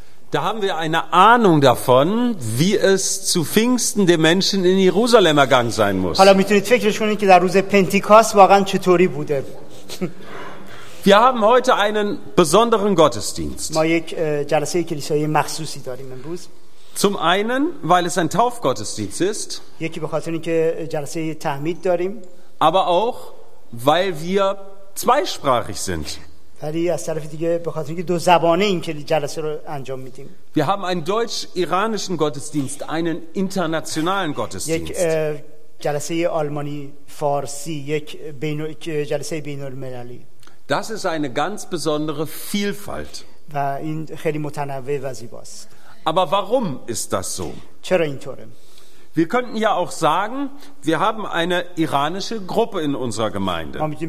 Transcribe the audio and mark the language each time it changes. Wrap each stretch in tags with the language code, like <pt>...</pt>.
<de>Da haben wir eine Ahnung davon, wie es zu Pfingsten den Menschen in Jerusalem ergangen sein muss.</de> <fa>حالا میتونید فکرش کنید که در روز پنتیکاست واقعا چطوری بوده.</fa> <de>Wir haben heute einen besonderen Gottesdienst.</de> <fa>ما یک جلسه کلیسایی مخصوصی داریم امروز.</fa> <de>Zum einen, weil es ein Taufgottesdienst ist.</de> <fa>یکی به خاطر اینکه جلسه تعمید داریم.</fa> <de>Aber auch, weil wir zweisprachig sind.</de> <fa>ولی از طرف دیگه به خاطر اینکه دو زبانه این که جلسه رو انجام میدیم.</fa> <de>Wir haben einen deutsch-iranischen Gottesdienst, einen internationalen Gottesdienst.</de> <fa>یک جلسه آلمانی فارسی، یک جلسه بین المللی.</fa> <de>Das ist eine ganz besondere Vielfalt.</de> <fa>و این خیلی متنوع و زیباست.</fa> <de>Aber warum ist das so?</de> <fa>چرا اینطوره؟</fa> <de>Wir könnten ja auch sagen, wir haben eine iranische Gruppe in unserer Gemeinde.</de>